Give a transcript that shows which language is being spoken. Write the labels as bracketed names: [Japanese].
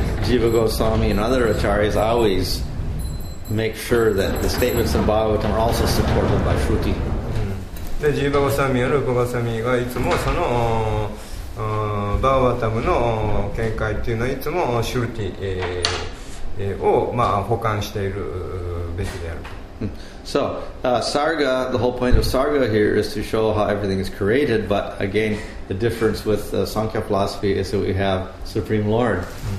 [English] Jiva Goswami and other acharyas always make sure that the statements of Bhagavatam are also supported by Shruti. [Japanese] で、ジーバ・ゴスワミやルーパ・ゴスワミがいつもそのバーガータムの見解っていうのはいつもシルティをまあ補完しているべきである。 [English] So, Sarga, the whole point of Sarga here is to show how everything is created, but again, the difference with Sankhya philosophy is that we have Supreme Lord, mm-hmm.